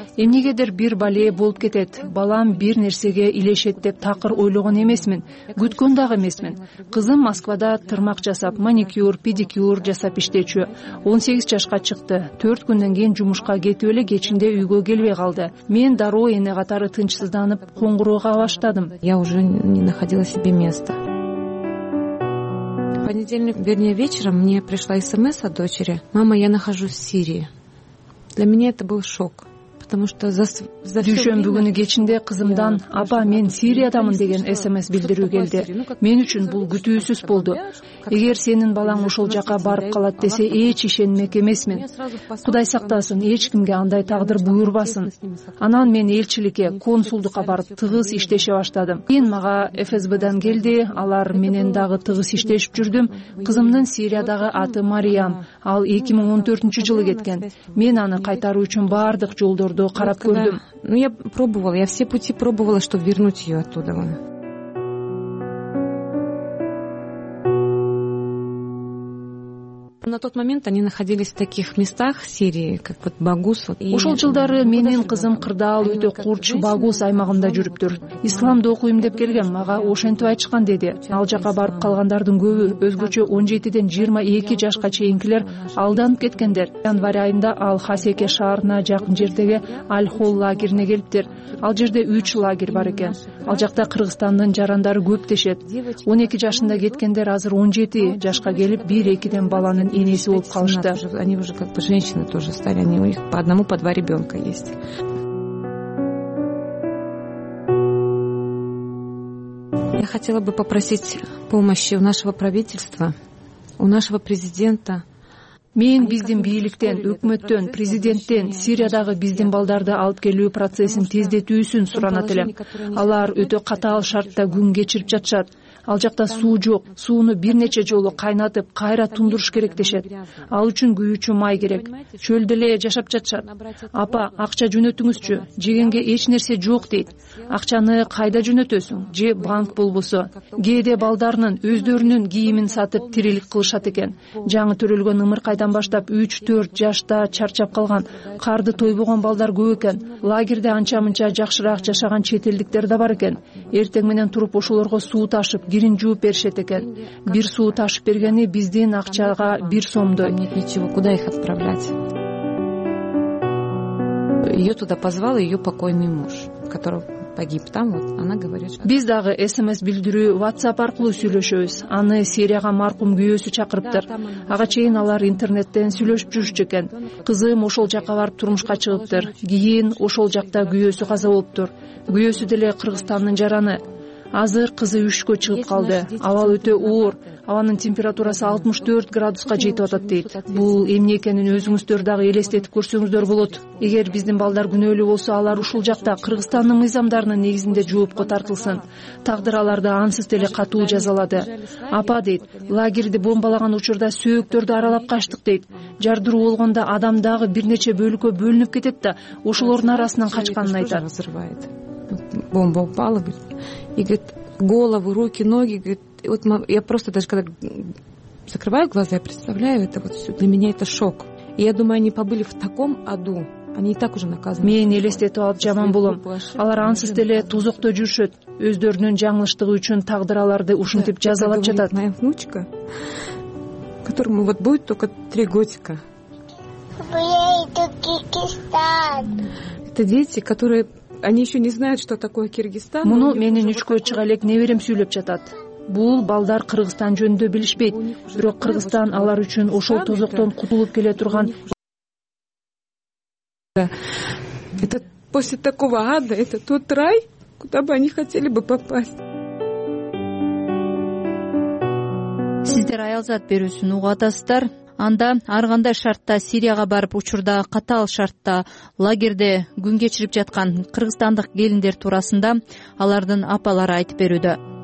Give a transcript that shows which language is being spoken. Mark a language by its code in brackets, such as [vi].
[ky] Эмнегедир бир бале болуп кетет. Балам бир нерсеге илешет деп такыр ойлогон эмесмин. Күткөн дагы эмесмин. Кызым Москвада тырмак жасап, маникюр, педикюр жасап иштечү. 18 жашка чыкты. 4 күндөн кийин жумушка кетип эле кечинде үйгө келбей калды. Мен дароо эне катары тынчсызданып коңгуроого баштадым. [ru] Я уже не находила себе места. В понедельник, вернее, вечером мне пришла СМС от дочери. Мама, я нахожусь в Сирии. Для меня это был шок. Потому что за все время... [ky] кечинде кызымдан аба мен Сириядамын деген СМС билдирүү келди. Мен үчүн бул күтүүсүз болду. Эгер сенин балаң ушул жака барып калат десе, эч ишенмек эмесмин. Кудай сактасын, эч кимге андай тагдыр буйрубасын. Анан мен элчиликке, консулдукка барып тыгыз иштеше баштадым. Кийин мага ФСБдан келди, алар менен дагы тыгыз иштешип жүрдүм. Кызымдын Сириядагы аты Мариям, ал 2014 жылы кеткен. Мен аны кайтаруу үчүн бардык жолдорду карап көрдүм. [ru] Ну я пробовала, я все пути пробовала, чтобы вернуть её оттуда. На тот момент они находились в таких местах Сирии, как вот Багус. [ky] Ушол жылдары менин кызым кырдаал өтө курч Багус аймагында жүрүптүр. Исламды окуйм деп келген, мага ошентип айтышкан деди. Ал жака барып калгандардын көбү өзгөчө 17-ден 22 жашка чейинкилер алданып кеткендер. Январь айында ал Хасеке шаарына жакын жердеги Аль-Хол лагерине келиптир. Ал жерде 3 лагерь бар экен. Ал жакта Кыргызстандын жарандары көп дешет. 12 жашында кеткендер азыр 17 жашка келип 1-2ден баланы инеси болуп калышты. [ru] Они уже как бы женщины тоже стали. Они у них по одному, по два ребенка есть. Я хотела бы попросить помощи у нашего правительства, у нашего президента. [ky] Мен биздин бийликтен, өкмөттөн, президенттен Сириядагы биздин балдарды алып келүү процессин тездетүүсүн суранат элем. Алар өтө катаал шартта күн кечирип жатышат. Ал жакта суу жок, сууну бир нече жолу кайнатып, кайра тундуруш керек дешет. Ал үчүн күйүүчү май керек. Чөлдө эле жашап жатышат. Апа, акча жөнөтүңүзчү, жегенге эч нерсе жок дейт. Акчаны кайда жөнөтөсүң? Же банк болбосо. Кээде балдарынын өздөрүнүн кийимин сатып тирилик кылышат экен. Жаңы төрөлгөн ымыркайдан баштап 3-4 жашта чарчап калган, карды тойбогон балдар көп экен. Лагерде анча-мынча жакшыраак жашаган чет элдиктер да бар экен. Эртең менен туруп ошолорго суу ташып кирин жууп беришет экен. Бир суу ташып бергени биздин акчага 1 сомдой. [ru] Нет ничего, куда их отправлять? Ее туда позвал ее покойный муж, которого погиб там, вот она говорит. [ky] Биз дагы СМС билдирүү WhatsApp аркылуу сүйлөшөбүз. Аны Сирияга маркум күйөөсү чакырыптыр. Ага чейин алар интернеттен сүйлөшүп жүрүшчү экен. Кызым ошол жака барып турмушка чыгыптыр. Кийин ошол жакта күйөөсү каза болуптур. Күйөөсү деле Кыргызстандын жараны. Азыр кызы үшкө чыгып калды. Абал өтө оор. Абанын температурасы 64 градуска жетип атат дейт. Бул эмне экенин өзүңүздөр дагы элестетип көрсөңүздөр болот. Эгер биздин балдар күнөөлүү болсо, алар ушул жакта Кыргызстандын мыйзамдарынын негизинде жоопко тартылсын. Тагдыр аларды ансыз деле катуу жазалады. Апа дейт, лагерди бомбалаган учурда сөөктөрдү аралап качтык дейт. Жардыруу болгондо адам дагы бир нече бөлүккө бөлүнүп кетет да, ошолордун арасынан качканын айтат. [ru] Бомба упала, говорит. И говорит, голову, руки, ноги, говорит, вот я просто даже когда закрываю глаза, я представляю это вот все. Для меня это шок. И я думаю, они побыли в таком аду. Они и так уже наказаны. [ky] Мен элестетип алып жаман болом. Алар ансыз деле тузокто жүрүшөт. Өздөрүнүн жаңылыштыгы үчүн тагдыр аларды ушинтип жазалап жатат. [ru] Моя внучка, которому вот будет только 3 годика. Это дети, которые. Они еще не знают, что такое Кыргызстан. [ky] Муну менин үчкө чыга элек неберем сүйлөп жатат. Бул балдар Кыргызстан жөнүндө билишпейт. Бирок Кыргызстан алар үчүн ошол тозоктон кутулуп келе турган. [ru] Это после такого ада, это тот рай, куда бы они хотели бы попасть. [ky] Сиздер аялзат берүүсүн угуп атасыздар. Анда ар кандай шартта Сирияга барып учурда катаал шартта лагерде күн кечирип жаткан кыргызстандык келиндер туурасында алардын апалары айтып берүүдө.